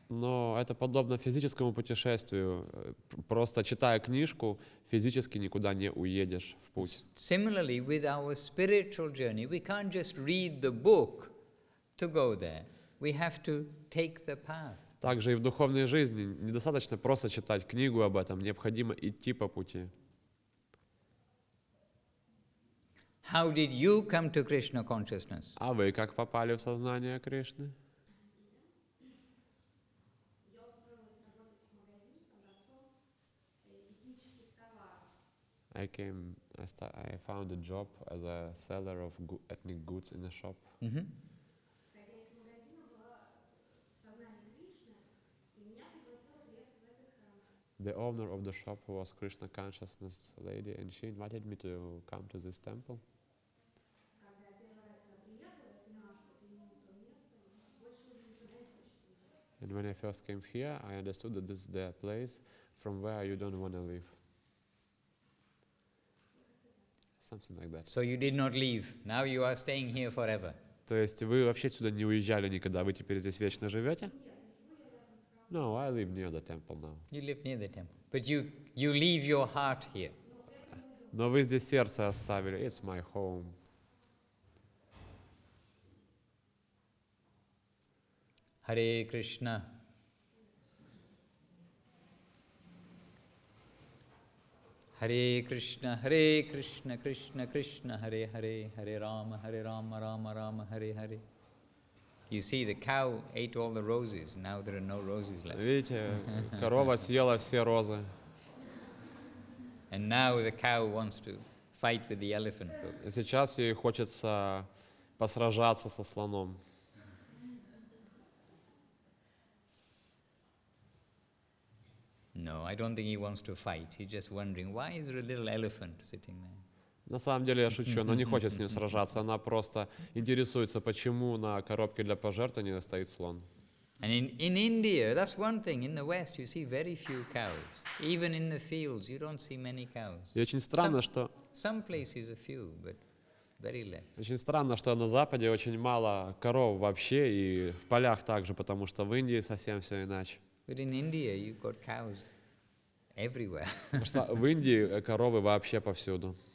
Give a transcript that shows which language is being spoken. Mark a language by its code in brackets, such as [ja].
[ru] Но это подобно физическому путешествию. Просто читая книжку, физически никуда не уедешь в путь. [en] Similarly, with our spiritual journey, we can't just read the book to go there. We have to take the path. [ru] Также и в духовной жизни недостаточно просто читать книгу об этом, необходимо идти по пути. [en] How did you come to Krishna consciousness? [ru] А вы как попали в сознание Кришны? [en] I found a job as a seller of ethnic goods in a shop. The owner of the shop was Krishna consciousness lady, and she invited me to come to this temple. And when I first came here, I understood that this is the place from where you don't want to leave. Something like that. So you did not leave. Now you are staying here forever. [ru] То есть вы вообще сюда не уезжали никогда. Вы теперь здесь вечно живете? [en] No, I live near the temple now. You live near the temple, but you leave your heart here. [ru] Но вы здесь сердце оставили. [en] It's my home. Hare Krishna. [sa] Hare Krishna, Hare Krishna, Krishna Krishna, Hare Hare, Hare Rama, Hare Rama, Rama Rama, Hare Hare. [en] You see, the cow ate all the roses, now there are no roses left. [ru] Видите, корова съела все розы. [en] And now the cow wants to fight with the elephant. [ru] Сейчас ей хочется посражаться со слоном. [en] No, I don't think he wants to fight. He's just wondering, why is there a little elephant sitting there? [ru] На самом деле, я шучу, она не хочет с ним сражаться. Она просто интересуется, почему на коробке для пожертвований стоит слон. [en] And in India, that's one thing. In the West, you see very few cows. Even in the fields, you don't see many cows. [ru] И очень странно, что... [en] Some places a few, but very less. [ru] Очень странно, что на Западе очень мало коров вообще, и в полях также, потому что в Индии совсем все иначе. [en] But in India, you've got cows everywhere. [ru] Потому что в Индии коровы вообще повсюду.